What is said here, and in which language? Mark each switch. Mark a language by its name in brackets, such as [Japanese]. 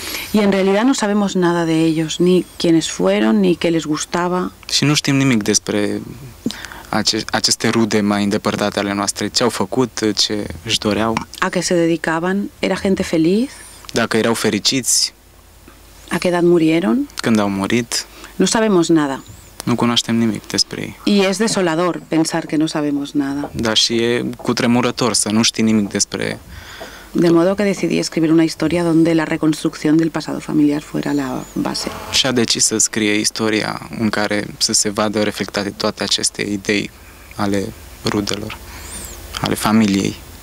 [Spanish] Y en realidad no sabemos nada de ellos, ni quiénes fueron, ni qué les gustaba. [Romanian] Și nu știm nimic despre aceste rude mai îndepărtate ale noastre, ce au făcut, ce își doreau. [Spanish] A que se dedicaban, era gente feliz. [Romanian] Dacă erau fericiți. [Spanish] A qué edad murieron. [Romanian] Când au murit. [Spanish] No sabemos nada. [Romanian] Nu cunoaștem nimic despre ei. [Spanish] Y es desolador pensar que no sabemos nada. [Romanian] Dar și e cutremurător să nu știi nimic despre. [Spanish] De modo que decidí escribir una historia donde la reconstrucción del pasado familiar fuera la base. [Romanian] Și a decis să scrie istoria în care să se vadă reflectate toate aceste idei ale rudelor, ale familiei.